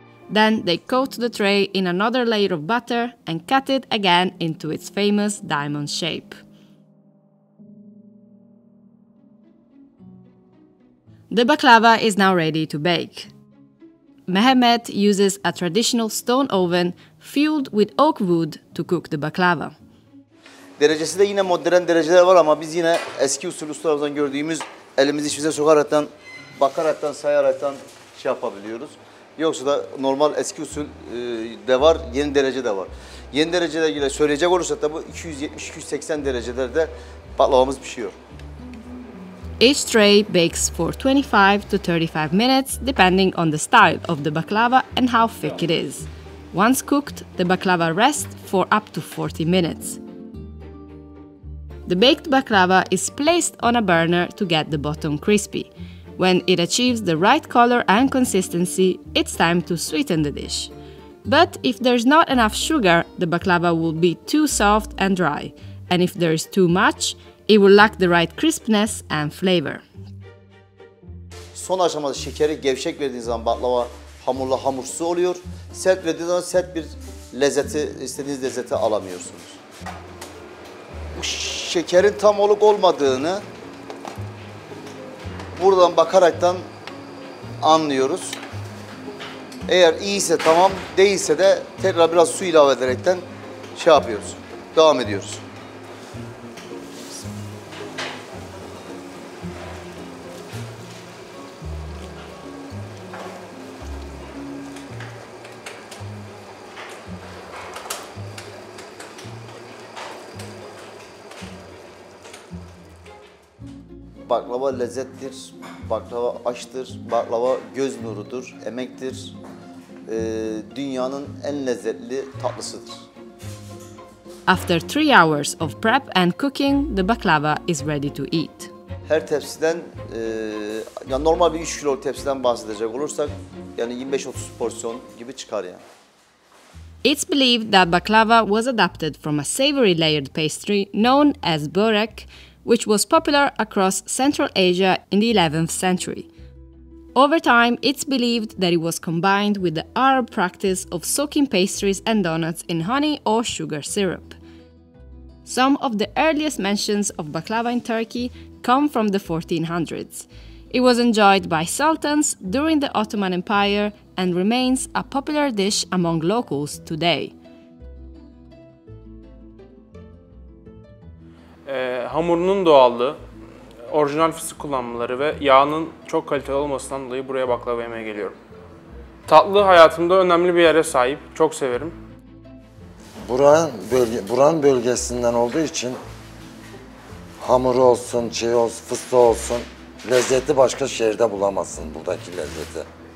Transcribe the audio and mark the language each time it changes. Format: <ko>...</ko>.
<en>Then they coat the tray in another layer of butter and cut it again into its famous diamond shape. The baklava is now ready to bake. Mehmet uses a traditional stone oven fueled with oak wood to cook the baklava.</en> <tr>Derecesi de yine modern dereceler var ama biz yine eski usul ustalarımızdan gördüğümüz elimizi içimize sokaraktan, bakaraktan, sayaraktan şey yapabiliyoruz. Yoksa da normal eski usul de var, yeni derece de var. Yeni derecede ile söyleyecek olursak da bu 270-280 derecelerde baklavamız pişiyor.</tr> <en>Each tray bakes for 25 to 35 minutes depending on the style of the baklava and how thick it is. Once cooked, the baklava rests for up to 40 minutes. The baked baklava is placed on a burner to get the bottom crispy. When it achieves the right color and consistency, it's time to sweeten the dish. But if there's not enough sugar, the baklava will be too soft and dry. And if there is too much, it will lack the right crispness and flavor.</en> <tr>Son aşamada şekeri gevşek verdiğiniz zaman baklava hamurlu hamursuz oluyor. Sert verdiğiniz zaman sert bir lezzeti, istediğiniz lezzeti alamıyorsunuz. Bu şekerin tam oluk olmadığını buradan bakaraktan anlıyoruz. Eğer iyiyse tamam, değilse de tekrar biraz su ilave ederekten şey yapıyoruz, devam ediyoruz. Baklava lezzettir, baklava aştır, baklava göz nurudur, emektir, dünyanın en lezzetli tatlısıdır.</tr> <en>After 3 hours of prep and cooking, the baklava is ready to eat.</en> <tr>Her tepsiden, yani normal bir 3 kilo tepsiden bahsedecek olursak, yani 25-30 porsiyon gibi çıkar yani.</tr> <en>It's believed that baklava was adapted from a savory layered pastry known as börek, which was popular across Central Asia in the 11th century. Over time, it's believed that it was combined with the Arab practice of soaking pastries and donuts in honey or sugar syrup. Some of the earliest mentions of baklava in Turkey come from the 1400s. It was enjoyed by sultans during the Ottoman Empire and remains a popular dish among locals today.</en> <tr>Hamurunun doğallığı, orijinal fısık kullanmaları ve yağının çok kaliteli olmasından dolayı buraya baklava yemeye geliyorum. Tatlı hayatımda önemli bir yere sahip, çok severim. Buranın bölgesinden olduğu için hamuru olsun, şey olsun, fıstığı olsun, lezzeti başka şehirde bulamazsın buradaki lezzeti.</tr>